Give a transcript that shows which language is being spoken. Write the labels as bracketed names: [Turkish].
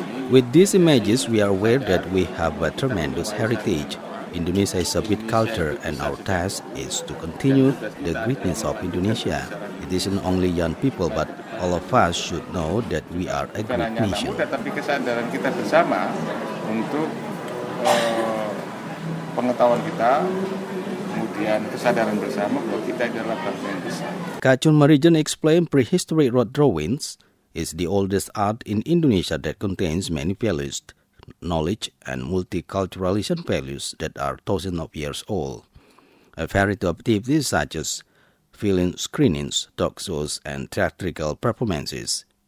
[English] With these images, we are aware that we have a tremendous heritage. Indonesia is a big culture, and our task is to continue the greatness of Indonesia. It isn't only young people, but all of us should know that we are a great nation. [Indonesian] Tetapi kesadaran kita bersama untuk pengetahuan kita, kemudian kesadaran bersama bahwa kita adalah bangsa yang besar. [English] Kacun Marijand explained prehistoric rock drawings is the oldest art in Indonesia that contains many values, knowledge, and multiculturalism values that are thousands of years old. A variety of activities such as film screenings, talk shows, and theatrical performances.